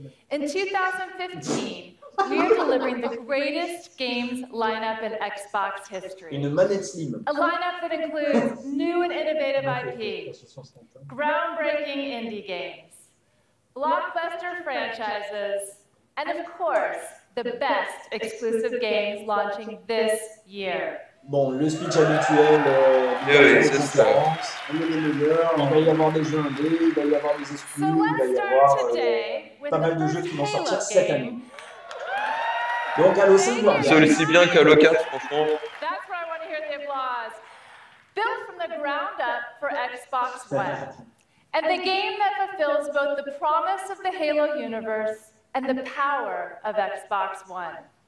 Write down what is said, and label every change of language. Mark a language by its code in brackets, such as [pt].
[en] In 2015, we are delivering the greatest games lineup in Xbox history. [fr] Une manette slim. [en] A lineup that includes new and innovative IP, groundbreaking indie games, blockbuster franchises, and of course, the best exclusive games launching this year. [fr] Bon, le speech habituel, il va y avoir des jeux indés, il va y avoir des exclus, il va y avoir pas mal de jeux qui vont sortir cette année. Donc, Halo 5, voilà. C'est aussi bien qu'Halo 4, franchement. [en] That's where I want to hear the applause. Built from the ground up for Xbox One. And the game that fulfills both the promise of the Halo universe and the power of Xbox One.